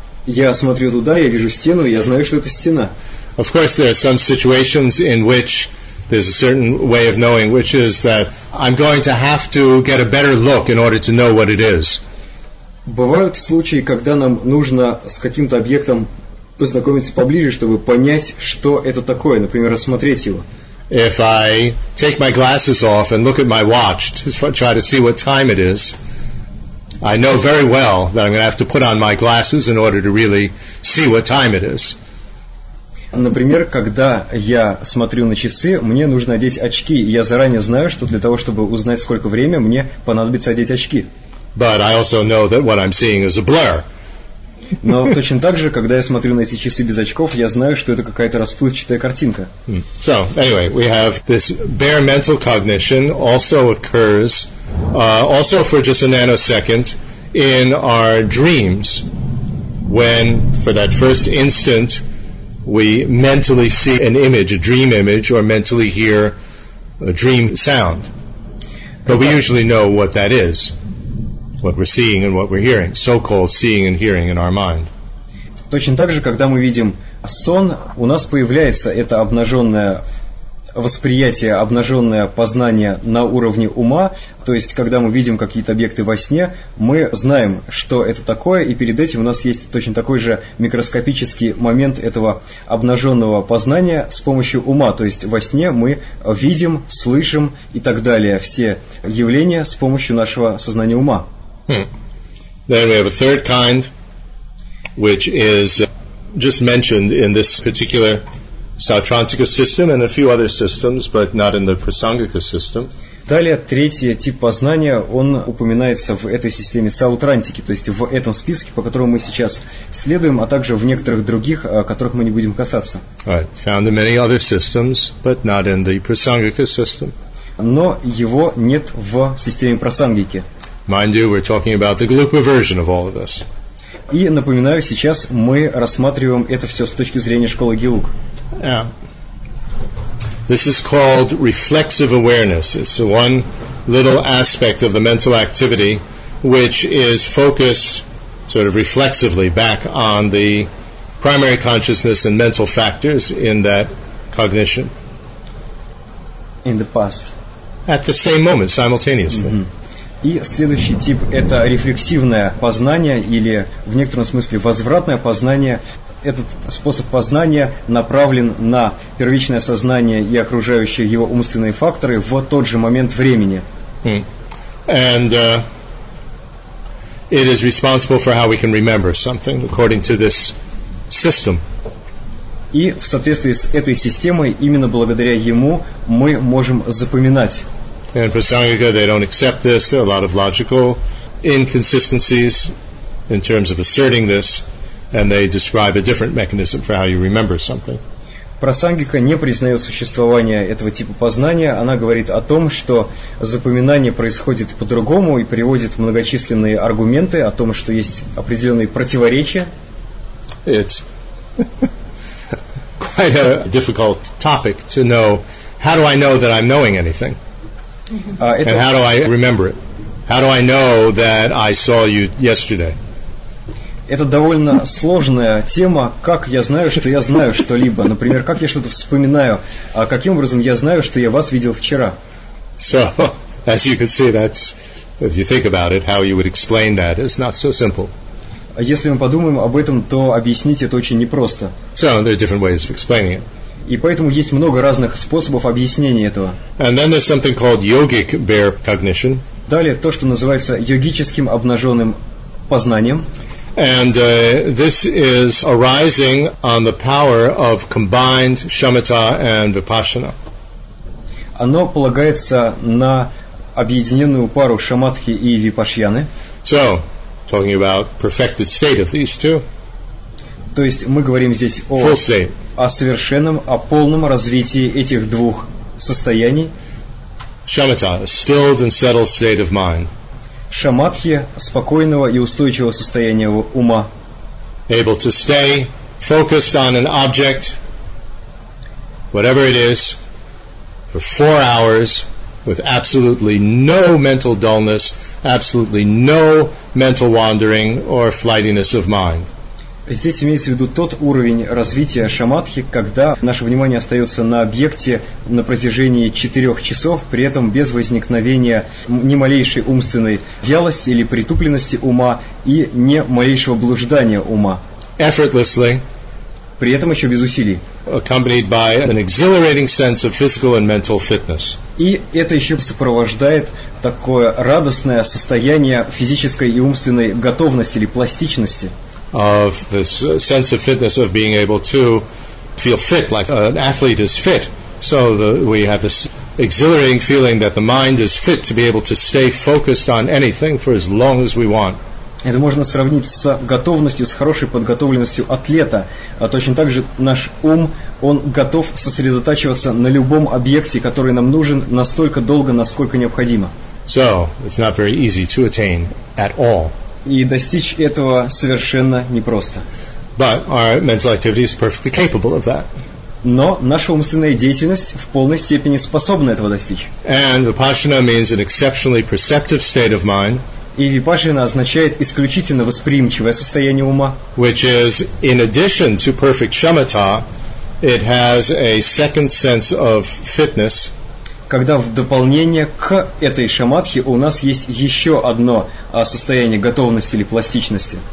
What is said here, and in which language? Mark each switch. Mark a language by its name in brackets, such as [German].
[Russian] Я смотрю туда, я вижу стену, я знаю, что это стена. [English] Of course, there are some situations in which there's a certain way of knowing, which is that I'm going to have to get a better look in order to know what it is. [Russian] Бывают случаи, когда нам нужно с каким-то объектом познакомиться поближе, чтобы понять, что это такое, например, рассмотреть его. [English] If I take my glasses off and look at my watch to try to see what time it is, I know very well that I'm going to have to put on my glasses in order to really see what time it is. [Russian] Например, когда я смотрю на часы, мне нужно одеть очки. Я заранее знаю, что для того, чтобы узнать, сколько время, мне понадобится одеть очки. [English] But I also know that what I'm seeing is a blur. [Russian] Но точно так же, когда я смотрю на эти часы без очков, я знаю, что это какая-то расплывчатая картинка. [English] So, anyway, we have this bare mental cognition also occurs, also for just a nanosecond, in our dreams, when for that first instant we mentally see an image, a dream image, or mentally hear a dream sound. But we usually know what that is. What we're seeing and what we're hearing, so-called seeing and hearing in our mind. [Russian] Точно так же, когда мы видим сон, у нас появляется это обнаженное восприятие, обнаженное познание на уровне ума. То есть, когда мы видим какие-то объекты во сне, мы знаем, что это такое, и перед этим у нас есть точно такой же микроскопический момент этого обнаженного познания с помощью ума. То есть, во сне мы видим, слышим и так далее все явления с помощью нашего сознания ума. [English] Then we have a third kind, which is just mentioned in this particular Sautrantika system and a few other systems, but not in the Prasangika system. [Russian] Далее, третий тип познания, он упоминается в этой системе Саутрантики, то есть в этом списке, по которому мы сейчас следуем, а также в некоторых других, которых мы не будем касаться. [English] All right. Found in many other systems, but not in the Prasangika system. [Russian] Но его нет в системе Прасангики. [English] Mind you, we're talking about the glupa version of all of this. [Russian] И напоминаю, сейчас мы рассматриваем это все с точки зрения школы Гилук. [English] Yeah. This is called reflexive awareness. It's one little aspect of the mental activity which is focused sort of reflexively back on the primary consciousness and mental factors in that cognition. In the past. at the same moment, simultaneously. [Russian] И следующий тип – это рефлексивное познание или, в некотором смысле, возвратное познание. Этот способ познания направлен на первичное сознание и окружающие его умственные факторы в тот же момент времени. [English] And it is responsible for how we can remember something according to this system. [Russian] И в соответствии с этой системой, именно благодаря ему, мы можем запоминать. [English] And Prasangika, they don't accept this. There are a lot of logical inconsistencies in terms of asserting this, and they describe a different mechanism for how you remember something. [Russian] Прасангика не признает существование этого типа познания. Она говорит о том, что запоминание происходит по-другому и приводит многочисленные аргументы о том, что есть определенные противоречия. [English] It's quite a difficult topic to know. How do I know that I'm knowing anything? And how do I remember it? How do I know that I saw you yesterday? [Russian] Это довольно сложная тема. Как я знаю, что я знаю что-либо? Например, как я что-то вспоминаю? А каким образом я знаю, что я вас видел вчера? [English] So, as you can see, that's if you think about it, how you would explain that is not so simple. [Russian] Если мы подумаем об этом, то объяснить это очень непросто. [English] So, there are different ways of explaining it. [Russian] И поэтому есть много разных способов объяснения этого. [English] And then there's something called yogic bare cognition. [Russian] Далее то, что называется йогическим обнаженным познанием. [English] And this is arising on the power of combined shamatha and vipassana. [Russian] Оно полагается на объединенную пару шаматхи и випашьяны. [English] So, talking about perfected state of these two. [Russian] То есть мы говорим здесь о совершенном, о полном развитии этих двух состояний. [English] Shamatha, stilled and settled state of mind. [Russian] Шамадхи – спокойного и устойчивого состояния ума. [English] Able to stay focused on an object, whatever it is, for 4 hours with absolutely no mental dullness, absolutely no mental wandering or flightiness of mind. [Russian] Здесь имеется в виду тот уровень развития шамадхи, когда наше внимание остается на объекте на протяжении 4 часов, при этом без возникновения ни малейшей умственной вялости или притупленности ума и ни малейшего блуждания ума. [English] Effortlessly, [Russian] при этом еще без усилий. [English] Accompanied by an exhilarating sense of physical and mental fitness. [Russian] И это еще сопровождает такое радостное состояние физической и умственной готовности или пластичности. [English] Of this sense of fitness of being able to feel fit like an athlete is fit. So we have this exhilarating feeling that the mind is fit to be able to stay focused on anything for as long as we want. [Russian] Это можно сравнить с готовностью, с хорошей подготовленностью атлета. Точно так же наш ум, он готов сосредотачиваться на любом объекте, который нам нужен настолько долго, насколько необходимо. [English] So it's not very easy to attain at all. [Russian] И достичь этого совершенно непросто. [English] But our mental activity is perfectly capable of that. [Russian] Но наша умственная деятельность в полной степени способна этого достичь. [English] And vipassana means an exceptionally perceptive state of mind. [Russian] И випассана означает исключительно восприимчивое состояние ума. [English] Which is, in addition to perfect shamatha, it has a second sense of fitness. [Russian] Когда в дополнение к этой шамадхи у нас есть еще одно состояние готовности или пластичности.